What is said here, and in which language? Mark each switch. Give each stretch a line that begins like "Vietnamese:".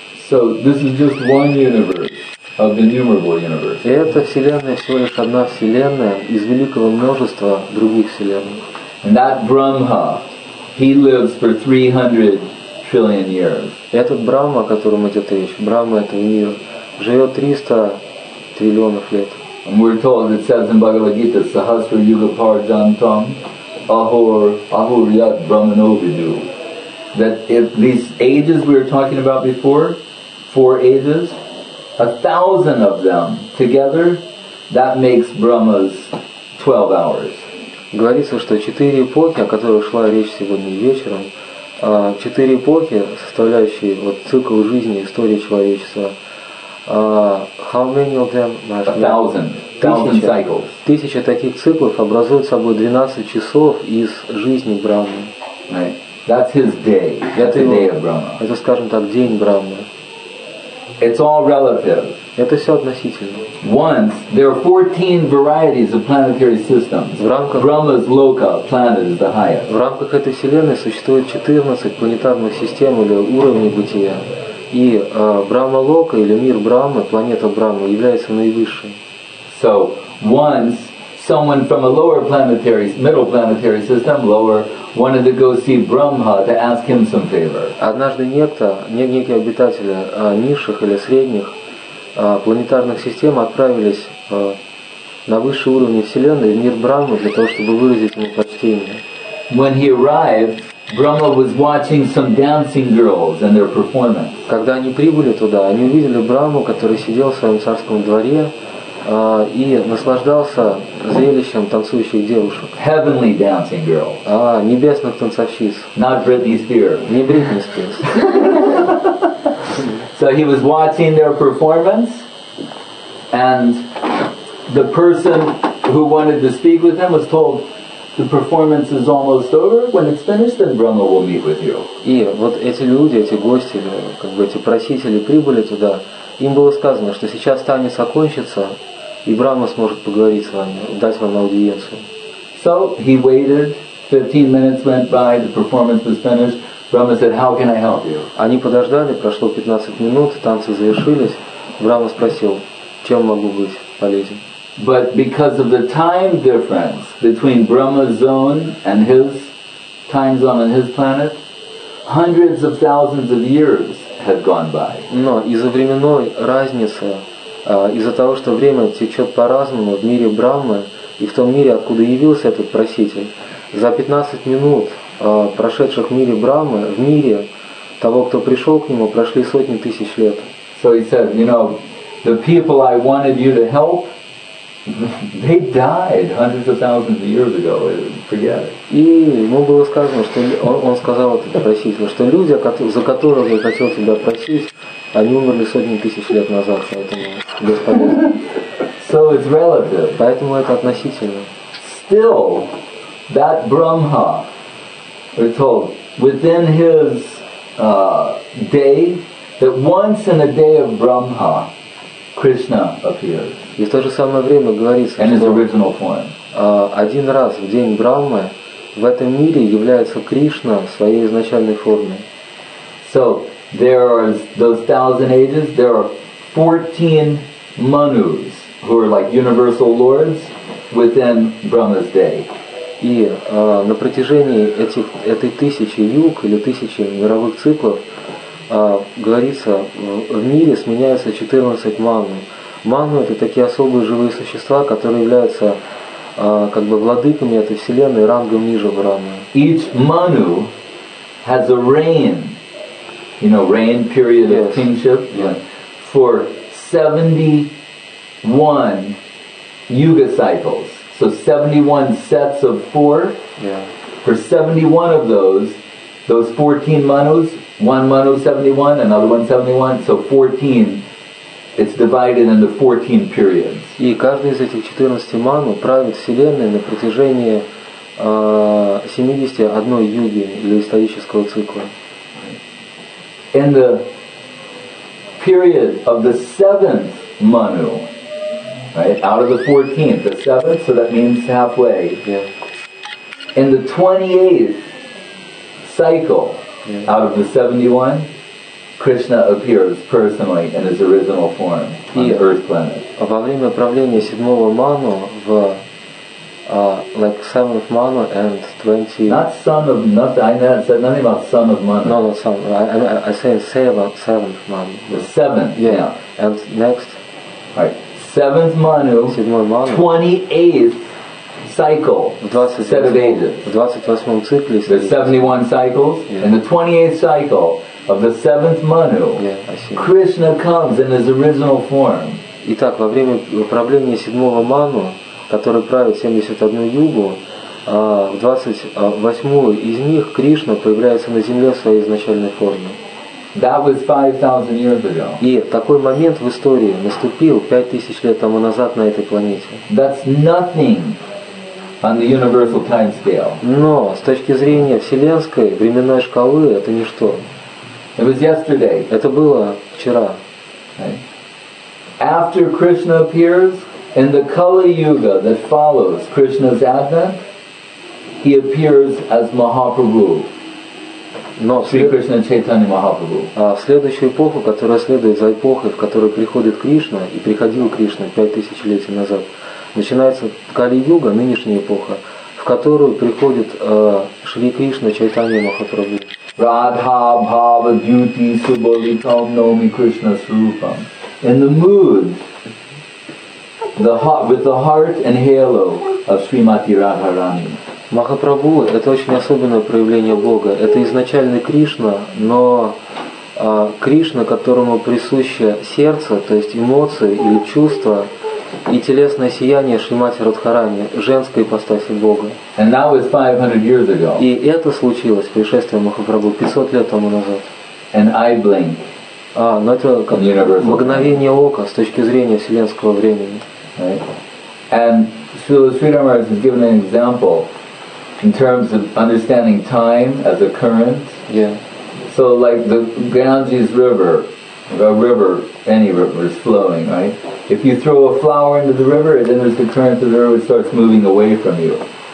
English: So this is just one universe. Of the innumerable universe.
Russian: Это вселенная всего лишь одна вселенная из великого множества других вселенных.
English: And that Brahma, he lives for 300 trillion years.
Russian: Этот Брахма, о котором идет речь, Брахма этого мира, живет 300 триллионов лет.
English: And we're told it says in Bhagavad Gita,
Sanskrit: Sahasra Yuga Parjantam, Ahur Yat Brahmano Vidu,
English: that if these ages we were talking about before, four ages. 1,000 of them together, that makes Brahma's 12 hours.
Russian: Говорится, что 4 эпохи, о которых шла речь сегодня вечером, 4 эпохи, составляющие вот цикл жизни, истории человечества.
English: How many of them? 1,000. 1,000 cycles.
Russian: 1,000 таких циклов образуют собой 12 часов из жизни Брахмы.
English: Right. That's his day. That's the day of Brahma.
Russian: Это, скажем так, день Брахмы.
English: It's all relative.
Russian: Это все относительно.
English: Once there are 14 varieties of planetary systems.
Russian: В рамках
English: Brahma's loka, planet is the highest.
Russian: В рамках этой вселенной существует 14 планетарных систем или уровней бытия, и Брахма лока или мир Брахмы, планета Брахмы, является наивысшей.
English: So once someone from a lower planetary, middle planetary system, lower, wanted to go see Brahma to ask him some favor.
Russian: Однажды некие обитатели низших или средних планетарных систем отправились на высшие уровни Вселенной, в мир Брахмы, для того, чтобы выразить ему почтение.
English: when he arrived, Brahma was watching some dancing girls and their performance.
Russian: Когда они прибыли туда, они увидели Брахму, который сидел в своем царском дворе и наслаждался зрелищем танцующих девушек.
English: Heavenly dancing girls.
Russian: А небесных танцовщиц.
English: Not Britney Spears.
Russian: Не Бритни Спирс.
English: So he was watching their performance, and the person who wanted to speak with them was told, "The performance is almost over. When it's finished, then Brahma will meet with you."
Russian: И вот эти люди, эти гости, как бы эти просители прибыли туда. Им было сказано, что сейчас танец окончится, и Брахма сможет поговорить с вами, дать вам аудиенцию.
English: So he waited. 15 minutes went by. The performance was finished. Brahma said, "How can I help you?"
Russian: Они подождали, прошло 15 минут, танцы завершились. Брахма спросил, чем могу быть полезен.
English: But because of the time difference between Brahma's zone and his time zone on his planet, hundreds of thousands of years had gone by.
Russian: Но из-за временной разницы, из-за того, что время течет по-разному в мире Брахмы и в том мире, откуда явился этот проситель, за 15 минут, прошедших в мире Брахмы, в мире того, кто пришел к нему, прошли сотни тысяч лет.
English: So he said, you know, the people I wanted you to help, they died hundreds of thousands of years ago. Forget it.
Russian: И ему было сказано, что он сказал этот проситель, что люди, за которых я хотел тебя просить, они умерли сотни тысяч лет назад, поэтому бесполезно.
English: So it's relative.
Russian: Поэтому это относительно.
English: Still, that Brahma, we're told, within his day, that once in a day of Brahma, Krishna appears.
Russian: И в то же самое время говорится, что один раз в день Брахмы в этом мире является Кришна в своей изначальной форме.
English: So there are those thousand ages. There are 14 manus who are like universal lords within Brahma's day.
Russian: И на протяжении этой тысячи юг или тысячи мировых циклов говорится, в мире сменяются 14 ману. Ману — это такие особые живые существа, которые являются как бы владыками этой вселенной, рангом ниже Брахмы.
English: Each manu has a reign, you know, reign period of kingship for 71 yuga cycles. So 71 sets of four. For 71 of those 14 manus, one manu 71, another one 71, so 14. It's divided into 14 periods.
Russian: И каждый из этих 14 ману правит вселенной на протяжении 71 юги или исторического цикла.
English: In the period of the seventh manu, right, out of the 14th, the seventh, so that means halfway. Yeah. In the 28th cycle, yeah, out of the 71, Krishna appears personally in his original form on the Earth planet.
Russian: Во время правления седьмого ману в
English: like seventh ману and 20. Not son of nothing. I said nothing about son of ману. No, not son. I say about seventh ману. The seventh. Yeah. And next. Right. Seventh ману.
Russian: Седьмой ману.
English: 28th cycle.
Russian: В 28-м цикле.
English: The 71 cycles. Yeah. In the 28th cycle of the seventh manu, Krishna comes in his original form.
Russian: Итак, во время правления седьмого ману, который правит 71 югу, в 28 из них Кришна появляется на земле в своей изначальной форме.
English: That was 5,000 years ago.
Russian: И такой момент в истории наступил 5,000 лет тому назад на этой планете.
English: That's nothing on the universal time scale.
Russian: Но с точки зрения вселенской временной шкалы это ничто.
English: It was yesterday.
Russian: Это было вчера.
English: After Krishna appears in the Kali Yuga that follows Krishna's advent, he appears as Mahaprabhu.
Russian: Но
English: Sri Krishna Chaitanya Mahaprabhu.
Russian: В следующую эпоху, которая следует за эпохой, в которой приходит Кришна и приходил Кришна 5000 лет назад, начинается Кали Юга, нынешняя эпоха, в которую приходит Шри Кришна Чайтанья Махапрабху.
Sanskrit: Radha Bhava Dyuti Subhavitam Nomi Krishna Srupam.
English: In the mood, with the heart and halo of Srimati Radharani.
Russian: Махапрабху – это очень особенное проявление Бога. Это изначальный Кришна, но Кришна, которому присуще сердце, то есть эмоции или чувства, и телесное сияние Шримати Радхарани, женской ипостаси Бога.
English: And that was 500 years ago.
Russian: И это случилось, пришествие Махапрабху, 500 лет тому назад.
English: And I blink.
Russian: А, но это как мгновение ока с точки зрения вселенского времени.
English: Right. And Srila Sridhar has given an example in terms of understanding time as a current. Yeah. So like the Ganges River, a river, any river is flowing, right? If you throw a flower into the river, then there's the current of the river, it starts moving away from you.